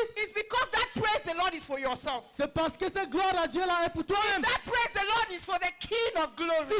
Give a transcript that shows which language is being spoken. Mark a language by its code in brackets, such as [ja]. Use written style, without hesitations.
[en] it's because that praise the Lord is for yourself. [fr] C'est parce que cette gloire à Dieu là est pour toi-même. [en] If that praise the Lord is for the King of Glory.